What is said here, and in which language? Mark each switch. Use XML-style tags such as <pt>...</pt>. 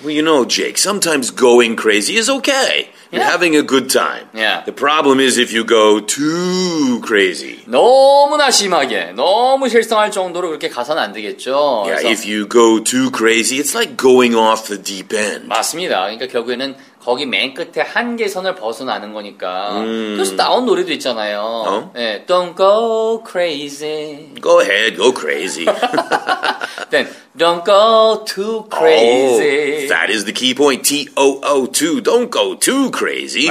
<en>Well, you know, Jake, sometimes going crazy is okay. You're having a good time. Yeah. The problem is if you go too crazy.</en> <ko>너무나 심하게, 너무 실성할 정도로 그렇게 가서는 안 되겠죠.</ko> <en>Yeah, 그래서, if you go too crazy, it's like going off the deep end.</en> <ko>맞습니다. 그러니까 결국에는 거기 맨 끝에 한계선을 벗어나는 거니까. 그래서 나온 노래도 있잖아요.</ko> <en>Don't go crazy. Go ahead, go crazy. Then, don't go too crazy. Oh, that is the key point. T-O-O-2. Don't go too crazy.</en>